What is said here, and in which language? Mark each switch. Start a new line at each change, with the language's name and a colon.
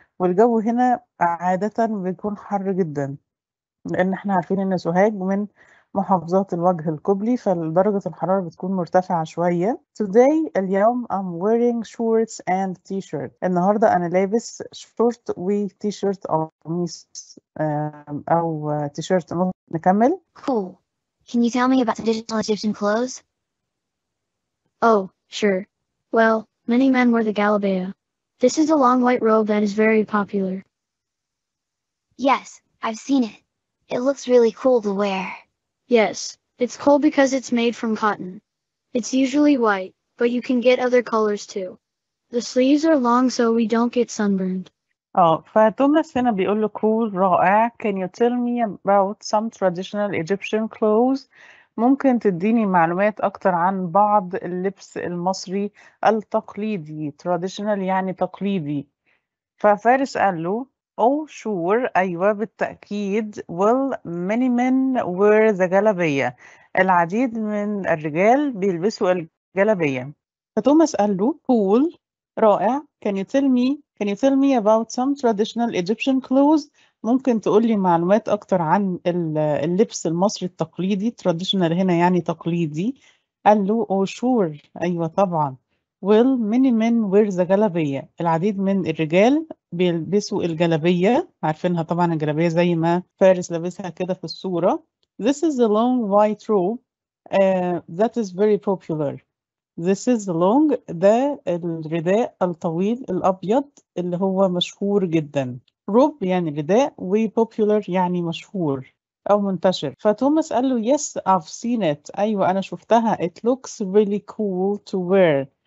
Arabic: والجو هنا عادة بيكون حر جدا، لأن إحنا عارفين إن سوهاج من محافظات الوجه القبلي، فدرجة الحرارة بتكون مرتفعة شوية.
English: Today اليوم I'm wearing shorts and t-shirt.
Arabic: النهاردة أنا لابس شورت وتيشيرت أو قميص أو تيشيرت. نكمل.
English: Cool. Can you tell me about traditional Egyptian clothes? Oh, sure. Well, many men wear the galabeya. This is a long white robe that is very popular. Yes, I've seen it. It looks really cool to wear. Yes, it's cool because it's made from cotton. It's usually white, but you can get other colors too. The sleeves are long so we don't get sunburned.
Arabic: فتوماس هنا بيقول له cool، رائع.
English: Can you tell me about some traditional Egyptian clothes؟
Arabic: ممكن تديني معلومات أكتر عن بعض اللبس المصري التقليدي. Traditional يعني تقليدي. ففارس قال له
English: Oh, sure.
Arabic: أيوة بالتأكيد.
English: Well, many men wear the جلابية.
Arabic: العديد من الرجال بيلبسوا الجلابية. فتوماس قال له cool، رائع.
English: Can you tell me about some traditional Egyptian clothes؟
Arabic: ممكن تقول لي معلومات أكتر عن اللبس المصري التقليدي. Traditional هنا يعني تقليدي. قال له
English: Oh, sure.
Arabic: أيوة طبعا.
English: Well, many men wear the جلابية.
Arabic: العديد من الرجال بيلبسوا الجلابية. عارفينها طبعا الجلابية زي ما فارس لابسها كده في الصورة.
English: This is a long white robe that is very popular. This is the long،
Arabic: ده الرداء الطويل الأبيض اللي هو مشهور جدا. Robe يعني رداء، و popular يعني مشهور أو منتشر. فتوماس قال له
English: Yes, I've seen it.
Arabic: أيوة أنا شفتها.
English: It looks really cool to wear.